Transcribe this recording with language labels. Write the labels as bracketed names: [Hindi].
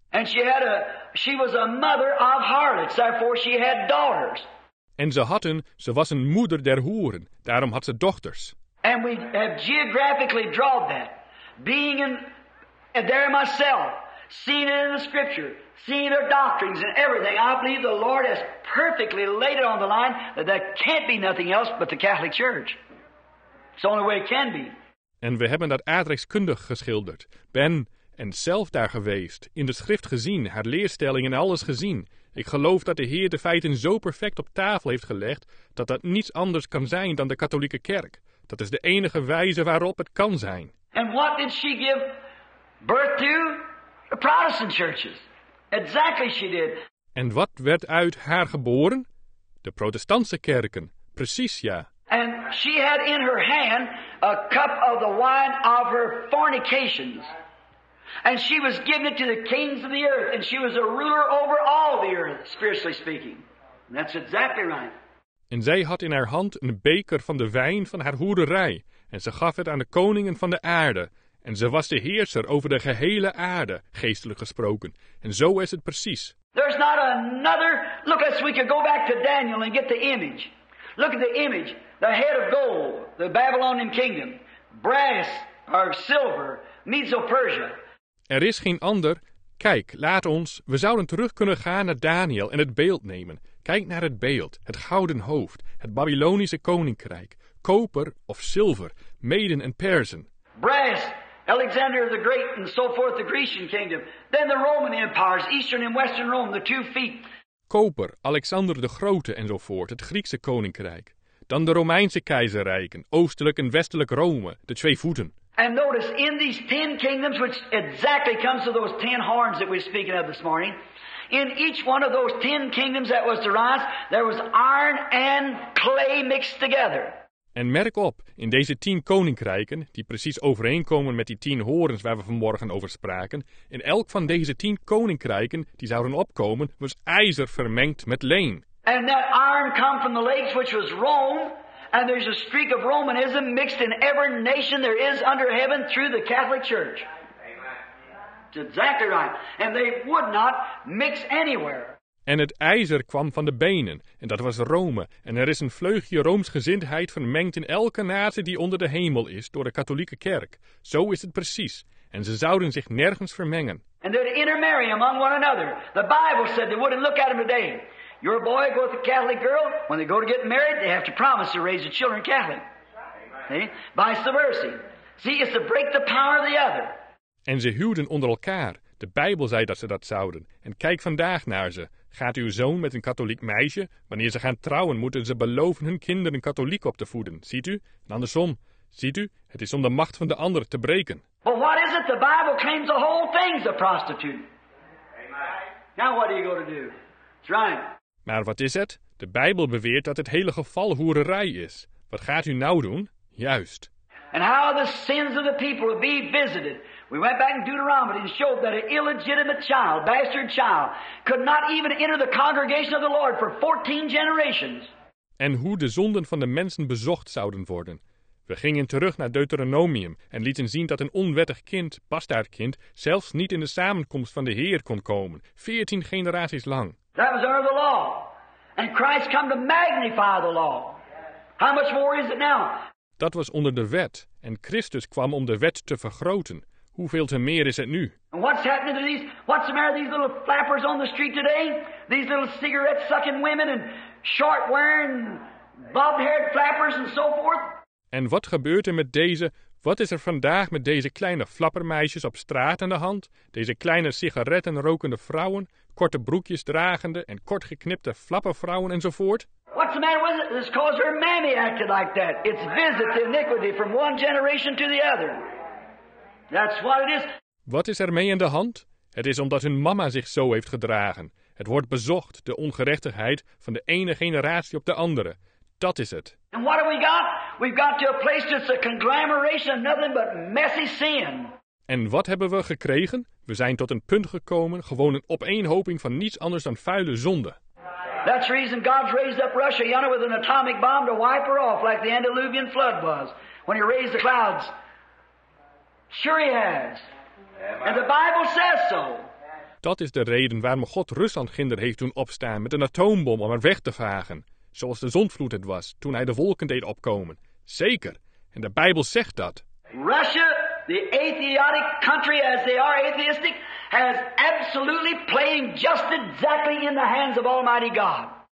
[English] And she was a mother of harlots, therefore she had daughters. [Dutch] En ze was een moeder der hoeren, daarom had ze dochters. [English] And we have geographically drawn that, being in there myself. Seen it in the scripture, seen their doctrines and everything. I believe the Lord has perfectly laid it on the line that there can't be nothing else but the Catholic Church. It's the only way it can be. [Dutch] En we hebben dat aardrijkskundig geschilderd. Ben en zelf daar geweest, in de schrift gezien, haar leerstelling en alles gezien. Ik geloof dat de Heer de feiten zo perfect op tafel heeft gelegd dat dat niets anders kan zijn dan de katholieke kerk. Dat is de enige wijze waarop het kan zijn. [English] And what did she give birth to? The Protestant churches. Exactly she did. [Dutch] En wat werd uit haar geboren? De protestantse kerken. Precies, ja. [English] And she had in her hand a cup of the wine of her fornications. And she was giving it to the kings of the earth. And she was a ruler over all the earth, spiritually speaking. And that's exactly right. [Dutch] En zij had in haar hand een beker van de wijn van haar hoererij. En ze gaf het aan de koningen van de aarde. En ze was de heerser over de gehele aarde, geestelijk gesproken. En zo is het precies. [English] There's not another. Look, we could go back to Daniel and get the image. Look at the image. The head of gold, the Babylonian kingdom. Brass or silver, Medo-Persia. [Dutch] Er is geen ander. Kijk, laat ons. We zouden terug kunnen gaan naar Daniel en het beeld nemen. Kijk naar het beeld, het gouden hoofd, het Babylonische koninkrijk. Koper of zilver, Meden en Persen. [English] Brass, Alexander the Great and so forth, the Grecian kingdom. Then the Roman empires, Eastern and Western Rome, the two feet. [Dutch] Koper, Alexander de Grote en zo voort, het Griekse koninkrijk. Dan de Romeinse keizerrijken, oostelijk en westelijk Rome, de twee voeten. [English] And notice, in these ten kingdoms, which exactly comes to those ten horns that we're speaking of this morning, in each one of those ten kingdoms that was to rise, there was iron and clay mixed together. [Dutch] En merk op, in deze tien koninkrijken, die precies overeenkomen met die tien horens waar we vanmorgen over spraken, in elk van deze tien koninkrijken die zouden opkomen, was ijzer vermengd met leem. [English] And that iron come from the lakes, which was Rome, and there's a streak of Romanism mixed in every nation there is under heaven through the Catholic Church. Amen. It's exactly right. And they would not mix anywhere. [Dutch] En het ijzer kwam van de benen, en dat was Rome, en er is een vleugje Roomsgezindheid vermengd in elke natie die onder de hemel is door de katholieke kerk. Zo is het precies, en ze zouden zich nergens vermengen. [English] And they'd intermarry among one another. The Bible said they wouldn't look at them today. Your boy go with a Catholic girl, when they go to get married, they have to promise to raise the children Catholic. Right. See? Vice versa. See, it's to break the power of the other. [Dutch] En ze huwden onder elkaar. De Bijbel zei dat ze dat zouden. En kijk vandaag naar ze. Gaat uw zoon met een katholiek meisje? Wanneer ze gaan trouwen, moeten ze beloven hun kinderen katholiek op te voeden. Ziet u? En andersom. Ziet u? Het is om de macht van de ander te breken. [English] But what is it? The Bible claims the whole thing's a prostitute. Amen. Now what are you going to do? It's right. [Dutch] Maar wat is het? De Bijbel beweert dat het hele geval hoererij is. Wat gaat u nou doen? Juist. [English] And how the sins of the people will be visited. We went back in Deuteronomy and showed that an illegitimate child, bastard child, could not even enter the congregation of the Lord for 14 generations. [Dutch] En hoe de zonden van de mensen bezocht zouden worden. We gingen terug naar Deuteronomium en lieten zien dat een onwettig kind, bastaardkind, zelfs niet in de samenkomst van de Heer kon komen, 14 generaties lang. [English] That was under the law. And Christ came to magnify the law. How much more is it now? [Dutch] Dat was onder de wet en Christus kwam om de wet te vergroten. Hoeveel te meer is het nu? [English] And what's happening to these, what's the matter with these little flappers on the street today? These little cigarette-sucking women and short-wearing, bob-haired flappers and so forth? [Dutch] En wat gebeurt er met deze, wat is er vandaag met deze kleine flappermeisjes op straat aan de hand? Deze kleine sigarettenrokende vrouwen, korte broekjes dragende en kort geknipte flappervrouwen enzovoort? [English] What's the matter with it? It's cause her mammy acted like that. It's visit iniquity from one generation to the other. That's what it is. [Dutch] Wat is er mee aan de hand? Het is omdat hun mama zich zo heeft gedragen. Het wordt bezocht, de ongerechtigheid van de ene generatie op de andere. Dat is het. [English] And what have we got? We've got to a place that's a conglomeration of nothing but messy sin. [Dutch] En wat hebben we gekregen? We zijn tot een punt gekomen, gewoon een opeenhoping van niets anders dan vuile zonde. [English] That's the reason God's raised up Russia, you know, with an atomic bomb to wipe her off like the Antediluvian flood was when he raised the clouds. Sure he has. And the Bible says so. [Dutch] Dat is de reden waarom God Rusland ginder heeft doen opstaan met een atoombom om haar weg te vagen. Zoals de zondvloed het was toen hij de wolken deed opkomen. Zeker. En de Bijbel zegt dat. [English] Russia, the atheistic country as they are atheistic, has absolutely playing just exactly in the hands of Almighty God.